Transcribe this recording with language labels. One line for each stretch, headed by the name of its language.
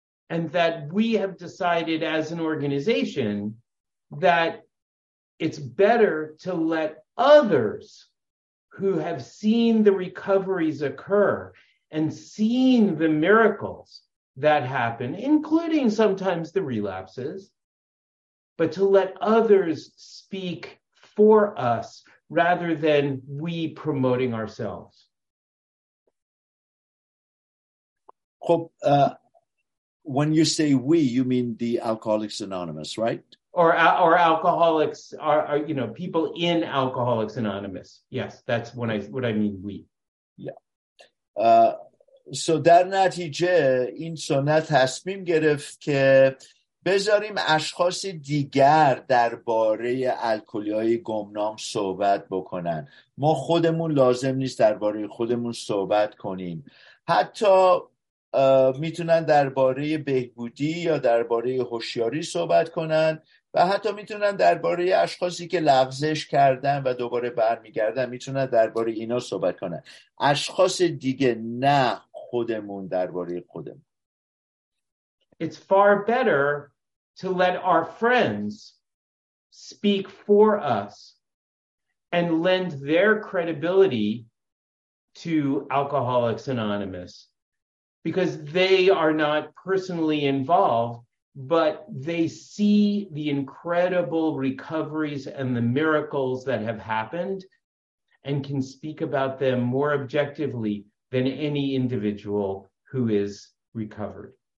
English: And that we have decided as an organization that it's better to let others who have seen the recoveries occur and seen the miracles that happen, including sometimes the relapses, but to let others speak for us rather than we promoting ourselves. خب, when you say we, you mean the Alcoholics Anonymous, right? Or alcoholics, are you know, people in Alcoholics Anonymous. Yes, that's what I mean, we. Yeah.
Persian: So در نتیجه این سنت تصمیم گرفت که بذاریم اشخاص دیگر درباره الکلی‌های گمنام صحبت بکنن. ما خودمون لازم نیست درباره خودمون صحبت کنیم. حتی میتونن درباره بهبودی یا درباره هوشیاری صحبت کنن و حتی میتونن درباره اشخاصی که لغزش کردن و دوباره برمیگردن میتونن درباره اینا صحبت کنن. اشخاص دیگه نه خودمون درباره خودمون.
English: It's far better to let our friends speak for us and lend their credibility to Alcoholics Anonymous because they are not personally involved, but they see the incredible recoveries and the miracles that have happened and can speak about them more objectively than any individual who is recovered.